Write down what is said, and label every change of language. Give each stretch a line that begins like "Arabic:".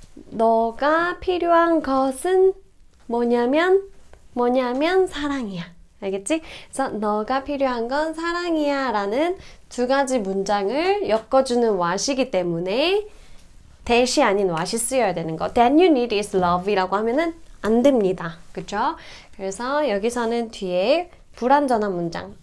Korean: 너가 필요한 것은 뭐냐면 사랑이야. 알겠지? 그래서 너가 필요한 건 사랑이야 라는 두 가지 문장을 엮어주는 what이기 때문에 that이 아닌 what이 쓰여야 되는 거.
English: That you need is love이라고
Korean: 하면은 안 됩니다. 그쵸? 그래서 여기서는 뒤에 불완전한 문장.